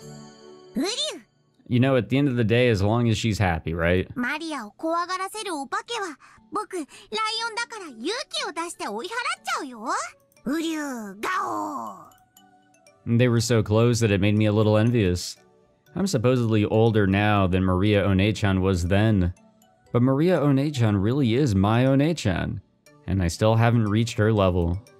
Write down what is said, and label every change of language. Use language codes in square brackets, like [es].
[en] You know, at the end of the day, as long as she's happy, right? [ja] マリアを怖がらせるお化けは、僕、ライオンだから勇気を出して追い払っちゃうよ。ウリュウ、ガオ。 [en] They were so close that it made me a little envious. I'm supposedly older now than Maria Onei-chan was then. But Maria Onei-chan really is my Onei-chan, and I still haven't reached her level.